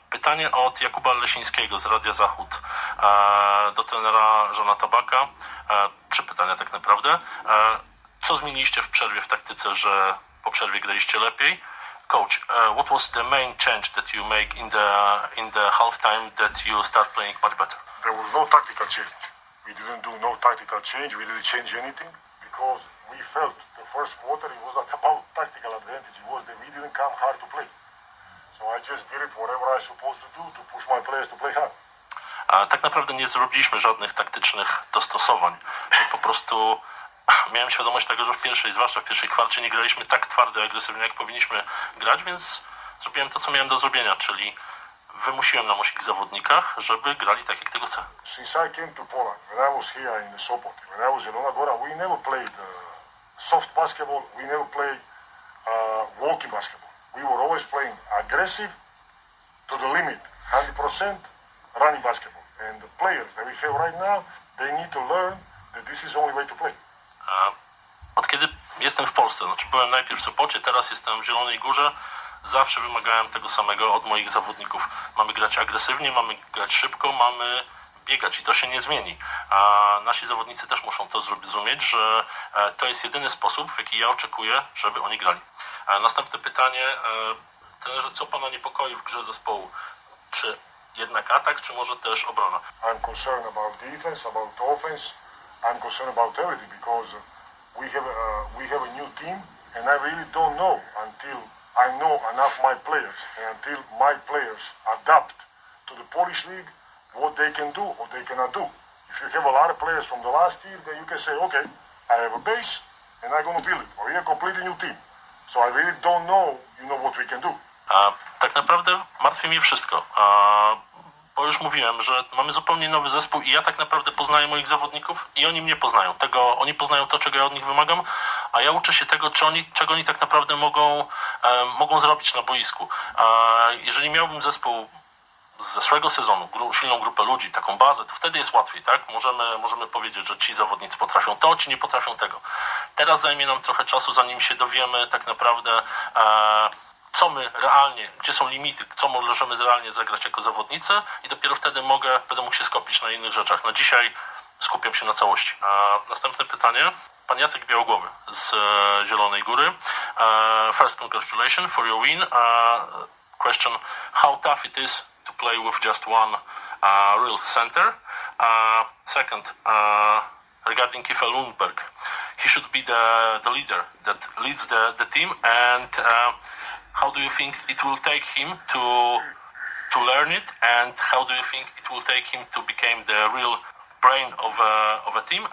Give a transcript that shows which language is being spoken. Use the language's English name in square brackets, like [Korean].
[Polish] pytanie od Jakuba Lesińskiego z Radia Zachód do trenera Żona Tabaka. Trzy pytania tak naprawdę. Co zmieniliście w przerwie w taktyce, że po przerwie graliście lepiej? [English] Coach, what was the main change that you make in the halftime that you start playing much better? There was no tactical change. We didn't do no tactical change. We didn't change anything because we felt the first quarter it was about tactical advantage. It was that we didn't come hard to play. So I just did it whatever I supposed to do to push my players to play hard. [Polish] Tak naprawdę nie zrobiliśmy żadnych taktycznych dostosowań. Po prostu miałem świadomość tego, że w pierwszej, zwłaszcza w pierwszej kwarcie, nie graliśmy tak twardo i agresywnie, jak powinniśmy grać, więc zrobiłem to, co miałem do zrobienia, czyli wymusiłem na moich zawodnikach, żeby grali tak, jak tego chcę. [English] Since I came to Poland, when I was here in Sopot, when I was in Onagora, we never played soft basketball, we never played walking basketball. We were always playing aggressive to the limit, 100% running basketball. And the players that we have right now, they need to learn that this is the only way to play. [Polish] Od kiedy jestem w Polsce, znaczy byłem najpierw w Sopocie, teraz jestem w Zielonej Górze, zawsze wymagałem tego samego od moich zawodników. Mamy grać agresywnie, mamy grać szybko, mamy biegać i to się nie zmieni. A nasi zawodnicy też muszą to zrozumieć, że to jest jedyny sposób, w jaki ja oczekuję, żeby oni grali. A następne pytanie, trenerze, co pana niepokoi w grze zespołu? Czy jednak atak, czy może też obrona? [English] I'm concerned about defense, about offense. I'm concerned about everything because we have a new team and I really don't know until I know enough my players and until my players adapt to the Polish league what they can do or they cannot do. If you have a lot of players from the last year, then you can say, okay, I have a base and I'm going to build it. Or you're a completely new team. So I really don't know, you know, what we can do. [Polish] Tak naprawdę martwi mnie wszystko. Bo już mówiłem, że mamy zupełnie nowy zespół i ja tak naprawdę poznaję moich zawodników i oni mnie poznają. Tego, oni poznają to, czego ja od nich wymagam, a ja uczę się tego, czego oni tak naprawdę mogą zrobić na boisku. Jeżeli miałbym zespół z zeszłego sezonu, silną grupę ludzi, taką bazę, to wtedy jest łatwiej, tak? Możemy powiedzieć, że ci zawodnicy potrafią to, ci nie potrafią tego. Teraz zajmie nam trochę czasu, zanim się dowiemy tak naprawdę, co my realnie, gdzie są limity, co możemy realnie zagrać jako zawodnicy i dopiero wtedy będę mógł się skupić na innych rzeczach. Na dzisiaj skupiam się na całości. A następne pytanie. Pan Jacek Białogłowy z Zielonej Góry. [English] First congratulations for your win. Question, how tough it is to play with just one real center? Second, regarding Kiefer Lundberg. He should be the leader that leads the team and how do you think it will take him to learn it, and how do you think it will take him to become the real brain of a team?